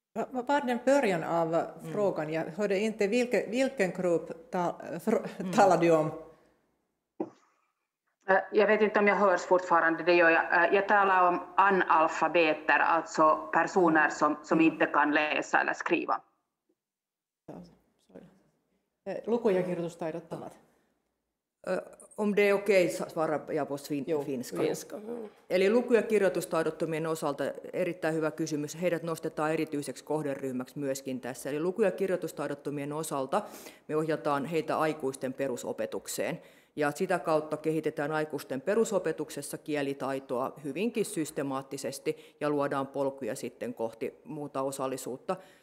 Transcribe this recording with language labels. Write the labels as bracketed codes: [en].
[sv] Var den början av frågan? Jag hörde inte vilken grupp talade du om. Jag vet inte om jag hörs fortfarande, det gör jag. Jag talar om analfabeter, alltså personer som inte kan läsa eller skriva. [fi] Luku- ja kirjoitustaidottomat. [sv] Om det är okej, svara jag på finska. [fi] Eli luku- ja kirjoitustaidottomien osalta erittäin hyvä kysymys. Heidät nostetaan erityiseksi kohderyhmäksi myöskin tässä. Eli luku- ja kirjoitustaidottomien osalta me ohjataan heitä aikuisten perusopetukseen. Ja sitä kautta kehitetään aikuisten perusopetuksessa kielitaitoa hyvinkin systemaattisesti ja luodaan polkuja sitten kohti muuta osallisuutta.